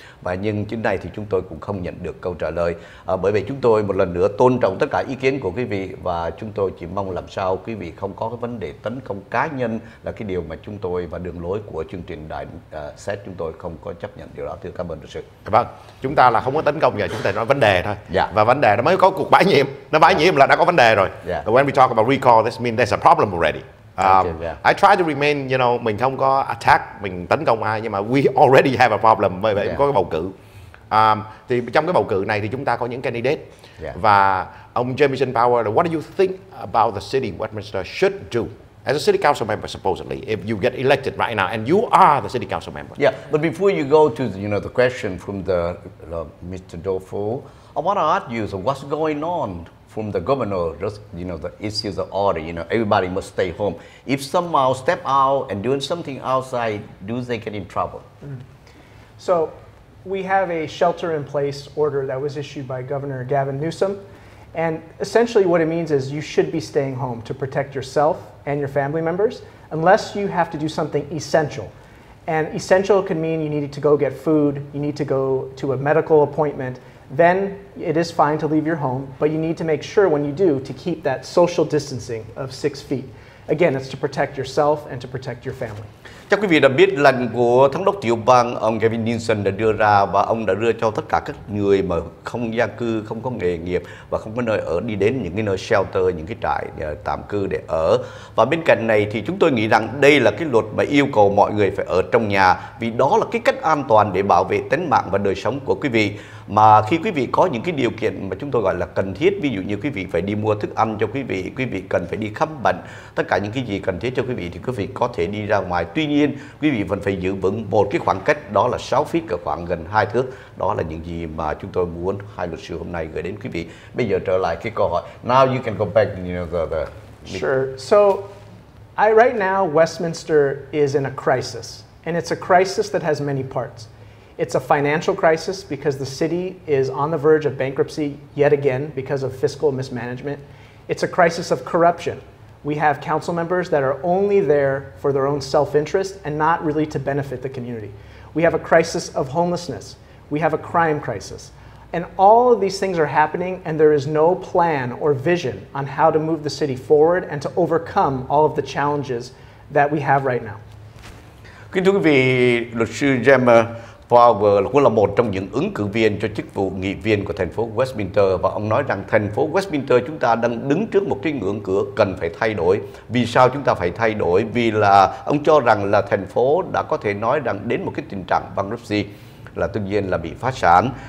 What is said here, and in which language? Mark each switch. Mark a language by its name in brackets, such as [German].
[Vietnamese] Và nhưng trên này thì chúng tôi cũng không nhận được câu trả lời. Bởi vậy chúng tôi một lần nữa tôn trọng tất cả ý kiến của quý vị, và chúng tôi chỉ mong làm sao quý vị không có cái vấn đề tấn công cá nhân là cái điều mà chúng tôi và đường lối của chương trình đại xét chúng tôi không có chấp nhận điều đó. Thưa, cảm ơn luật sư. Vâng, chúng ta là không có tấn công, giờ chúng ta nói vấn đề thôi. [English] Yeah. [Vietnamese] Và vấn đề nó mới có cuộc bãi nhiệm. Nó bãi nhiệm là đã có vấn đề rồi. [English] Yeah. When we talk about recall, this means there's a problem already. I try to remain, you know, [Vietnamese] mình không có attack, mình tấn công ai, nhưng mà [English] we already have a problem, [Vietnamese] bởi vậy có cái bầu cử. Thì trong cái bầu cử này thì chúng ta có những candidate. [English] Yeah. Và ông Jameson Power, what do you think about the city Westminster should do as a city council member, supposedly, if you get elected right now and you are the city council member? Yeah, but before you go to the, you know, the question from the Mr. Dofu, I want to ask you, so what's going on from the governor, just, you know, the issues of order, you know, everybody must stay home. If somehow step out and doing something outside, do they get in trouble? Mm. So we have a shelter in place order that was issued by Governor Gavin Newsom. And essentially what it means is you should be staying home to protect yourself and your family members, unless you have to do something essential. And essential can mean you needed to go get food, you need to go to a medical appointment. Then it is fine to leave your home, but you need to make sure when you do to keep that social distancing of 6 feet. Again, it's to protect yourself and to protect your family. [Vietnamese] Chắc quý vị đã biết lệnh của thống đốc tiểu bang ông Gavin Newsom đã đưa ra, và ông đã đưa cho tất cả các người mà không gia cư, không có nghề nghiệp và không có nơi ở đi đến những cái nơi shelter, những cái trại tạm cư để ở. Và bên cạnh này thì chúng tôi nghĩ rằng đây là cái luật mà yêu cầu mọi người phải ở trong nhà, vì đó là cái cách an toàn để bảo vệ tính mạng và đời sống của quý vị. Mà khi quý vị có những cái điều kiện mà chúng tôi gọi là cần thiết, ví dụ như quý vị phải đi mua thức ăn cho quý vị cần phải đi khám bệnh, tất cả những cái gì cần thiết cho quý vị thì quý vị có thể đi ra ngoài. Tuy nhiên quý vị vẫn phải giữ vững một cái khoảng cách, đó là 6 feet, cả khoảng gần 2 thước. Đó là những gì mà chúng tôi muốn hai luật sư hôm nay gửi đến quý vị. Bây giờ trở lại cái câu hỏi. [English] Now you can go back, you know, the... Sure. So, right now Westminster is in a crisis. And it's a crisis that has many parts. It's a financial crisis because the city is on the verge of bankruptcy yet again because of fiscal mismanagement. It's a crisis of corruption. We have council members that are only there for their own self-interest and not really to benefit the community. We have a crisis of homelessness. We have a crime crisis. And all of these things are happening, and there is no plan or vision on how to move the city forward and to overcome all of the challenges that we have right now. [Vietnamese] Kính thưa quý vị, luật sư Gemma Power cũng là một trong những ứng cử viên cho chức vụ nghị viên của thành phố Westminster, và ông nói rằng thành phố Westminster chúng ta đang đứng trước một cái ngưỡng cửa cần phải thay đổi. Vì sao chúng ta phải thay đổi? Vì là ông cho rằng là thành phố đã có thể nói rằng đến một cái tình trạng bankruptcy, là tự nhiên là bị phá sản.